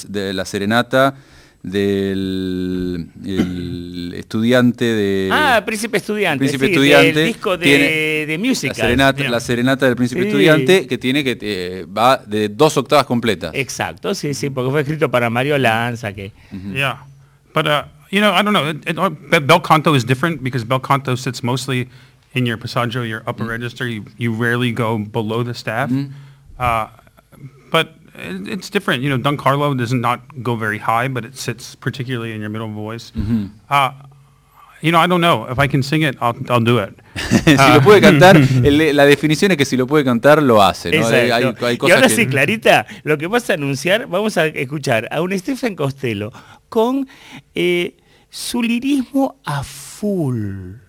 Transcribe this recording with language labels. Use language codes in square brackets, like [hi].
[es] De la serenata del estudiante de... Ah, Príncipe Estudiante. Príncipe sí, Estudiante. El disco de música. La serenata del Príncipe Estudiante, que tiene que... va de 2 octavas completas. Exacto, sí, porque fue escrito para Mario Lanza, que... [en] Uh-huh. Yeah, but, you know, I don't know. Bel canto is different, because bel canto sits mostly... in your passaggio, your upper mm. register, you rarely go below the staff. Mm. But it's different. You know, Don Carlo does not go very high, but it sits particularly in your middle voice. Mm-hmm. You know, I don't know. If I can sing it, I'll do it. [es] Si lo puede cantar, la definición es que si lo puede cantar, lo hace, ¿no? Hay cosas y ahora que... sí, Clarita, lo que vas a anunciar, vamos a escuchar a un Stephen Costello con su lirismo a full.